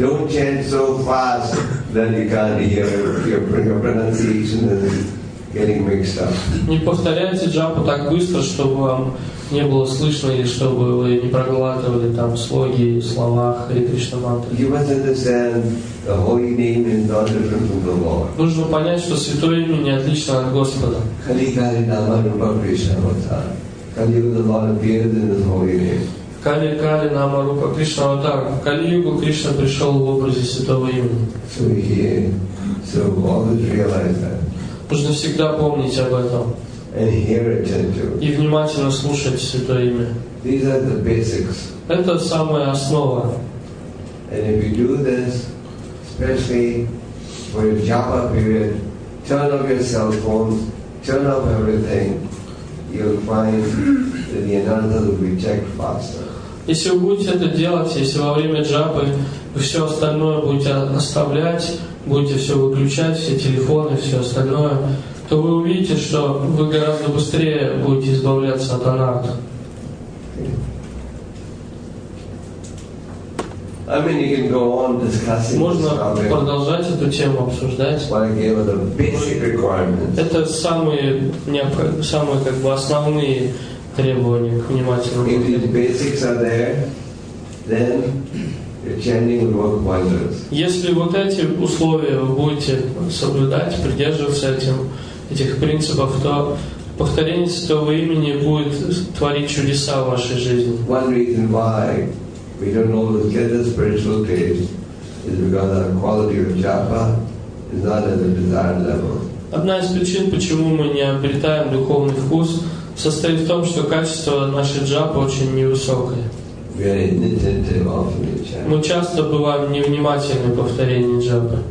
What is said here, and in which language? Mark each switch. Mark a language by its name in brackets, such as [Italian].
[English] Don't chant so fast that you can't hear your pronunciation is getting mixed up. [Russian] Не повторяйте джапу так быстро, чтобы вам не было слышно или чтобы вы не проглатывали там слоги, слова Харе Кришна мантры. [English] You must understand. The holy name is not different from the Lord. [Russian] Нужно понять, что святое имя не отлично от Господа. [Sanskrit] Kali Kali Nama Rupa Krishna Avatar. [English] Kali Yuga, the Lord appeared in His holy name. [Sanskrit] Kali Kali Nama Rupa Krishna Avatar. Kali Yuga Krishna [Russian] пришел в образе святого имени. [English] So here, so always realize that. [Russian] Нужно всегда помнить об этом. [English] And hear it gently. [Russian] И внимательно слушать святое имя. [English] These are the basics. [Russian] Это самая основа. [English] And if you do this. Especially for your japa period, turn off your cell phones, turn off everything. You'll find that the ananda will be checked faster. [Russian] Если вы будете это делать, если во время джапы вы все остальное будете оставлять, будете все выключать, все телефоны, все остальное, то вы увидите, что вы гораздо быстрее будете избавляться от ананда. [English] I mean, you can go on discussing. [Russian] Можно продолжать эту тему обсуждать. [English] But I gave the basic requirements. [Russian] Это самые как бы основные требования к внимательному. [English] If the basics are there, then your chanting will work wonders. [Russian] Если вот эти условия вы будете соблюдать, придерживаться этих принципов, то повторение святого имени будет творить чудеса в вашей жизни. [English] One reason why. We don't always get the spiritual taste is because our quality of japa is not at the desired level. [Russian] Одна из причин, почему мы не обретаем духовный вкус, состоит в том, что качество нашей джапы очень невысокое. [English] We are inattentive often. [Russian] Мы часто бываем невнимательны в повторении джапы.